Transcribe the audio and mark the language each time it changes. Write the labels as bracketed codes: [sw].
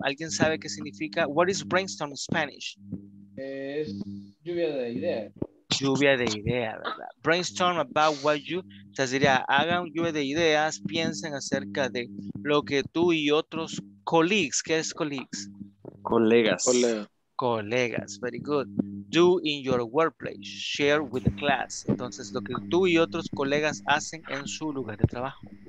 [es] ¿Alguien sabe qué significa? [en] What is brainstorm in Spanish? [es] Es lluvia de ideas. Lluvia de ideas, ¿verdad? [en] Brainstorm about what you... [es] O sea, diría, hagan lluvia de ideas, piensen acerca de lo que tú y otros colleagues. ¿Qué es colleagues? Colegas. Colegas, [en] very good. Do in your workplace, share with the class. [es] Entonces, lo que tú y otros colegas hacen en su lugar de trabajo.